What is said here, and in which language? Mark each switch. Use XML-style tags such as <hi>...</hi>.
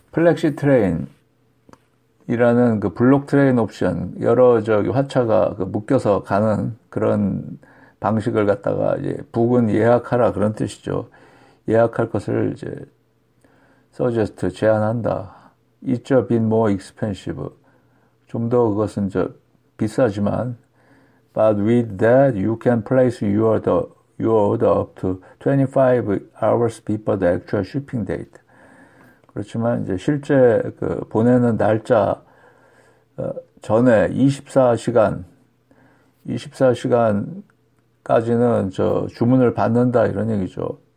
<ko>플렉시트레인이라는 블록 트레인 옵션 여러 화차가 묶여서 가는 그런 방식을 갖다가 이제 북은 예약하라 그런 뜻이죠. 예약할 것을 이제 서제스트 제안한다.</ko> <en>It's a bit more expensive.</en> <ko>좀 더 그것은 비싸지만</ko> <en>But with that you can place your order up to 25 hours before the actual shipping date.</en> <ko>그렇지만 이제 실제 보내는 날짜 전에 24시간까지는 주문을 받는다 이런 얘기죠.</ko>